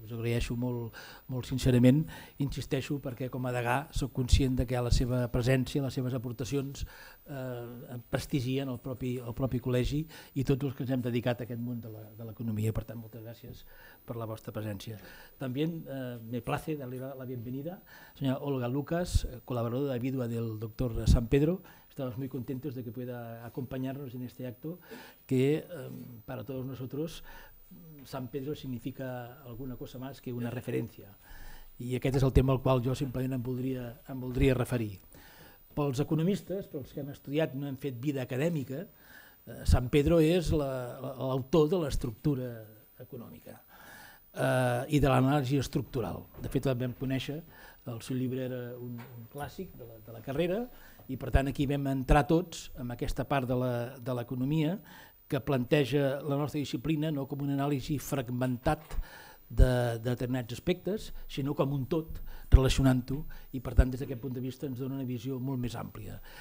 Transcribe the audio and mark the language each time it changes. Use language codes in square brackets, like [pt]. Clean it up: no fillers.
[ca] Us agraeixo molt sincerament, insisteixo, perquè com a degà soc conscient que la seva presència, les seves aportacions prestigien el propi col·legi i tots els que ens hem dedicat a aquest món de l'economia. Per tant, moltes gràcies per la vostra presència. També me place d'arribar la benvenida a senyora Olga Lucas, col·laboradora de vídua del doctor San Pedro. [es] Estamos muy contentos de que pueda acompañarnos en este acto que para todos nosotros San Pedro significa alguna cosa más que una referencia. [ca] I aquest és el tema al qual jo simplement em voldria referir. Pels economistes, pels que hem estudiat, no hem fet vida acadèmica, San Pedro és l'autor de l'estructura econòmica i de l'anàlisi estructural. De fet, vam conèixer, el seu llibre era un clàssic de la carrera i per tant aquí vam entrar tots en aquesta part de l'economia que planteja la nostra disciplina no com una anàlisi fragmentat de determinats aspectes, sinó com un tot relacionant-ho i per tant des d'aquest punt de vista ens dona una visió molt més àmplia.